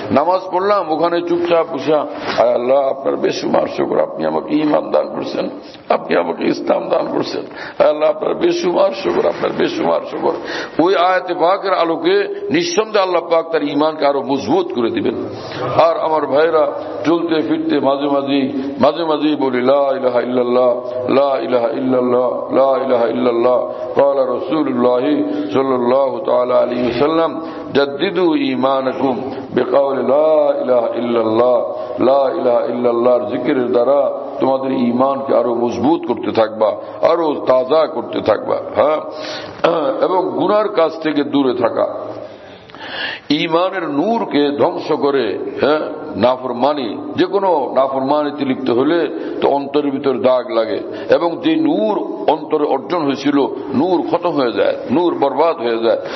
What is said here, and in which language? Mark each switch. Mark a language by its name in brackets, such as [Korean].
[Bangla] নামাজ পড়লাম ওখানে চুপচাপ বসা, আয় আল্লাহ আপনার বেশুমার শুকর আপনি আমাকে ইমান দান করছেন, আপনি আমাকে ইসলাম দান করছেন, আয় আল্লাহ আপনার বেশুমার শুকর, আপনার বেশুমার শুকর। ওই আয়াতে পাকের আলোকে নিঃসন্দেহে আল্লাহ পাক তার ইমানকে আরো মজবুত করে দিবেন। আর আমার ভাইরা, চলতে ফিরতে মাঝে মাঝে বলি লা ইলাহা ইল্লাল্লাহ, লা ইলাহা ইল্লাল্লাহ, লা ইলাহা ইল্লাল্লাহ। [Arabic] قال رسول الله صلى الله تعالى عليه وسلم جددوا ايمانكم بقول لا اله الا الله, لا اله الا الله ذكر الدرا [Bangla] তোমাদের ইমানকে আরো মজবুত করতে থাকবা, আরো তাজা করতে থাকবা। হ্যাঁ, এবং গুনার কাজ থেকে দূরে থাকা, ইমানের নূরকে ধ্বংস করে হ্যাঁ নাফরমানি, যে কোনো নাফরমানিতে লিপ্ত হলে তো অন্তরের ভিতর দাগ লাগে, এবং যে নূর অন্তরে অর্জন হয়েছিল নূর খতম হয়ে যায়, নূর বরবাদ হয়ে যায়।